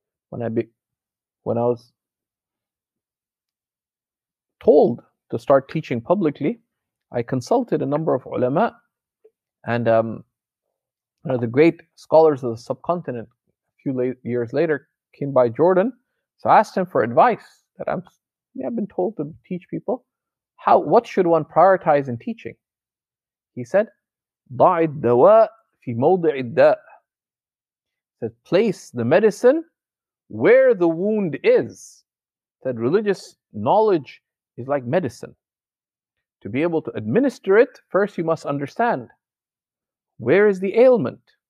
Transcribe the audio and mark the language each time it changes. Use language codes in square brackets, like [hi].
[en] When I was told to start teaching publicly, I consulted a number of ulama, and one of the great scholars of the subcontinent a few years later came by Jordan. So I asked him for advice that I've been told to teach people. What should one prioritize in teaching? He said, [ar] ضَعِ الدَّوَاءِ فِي مَوْضِعِ الدَّاءِ. [en] He said, place the medicine where the wound is. He said, religious knowledge is like medicine. To be able to administer it, first you must understand where is the ailment.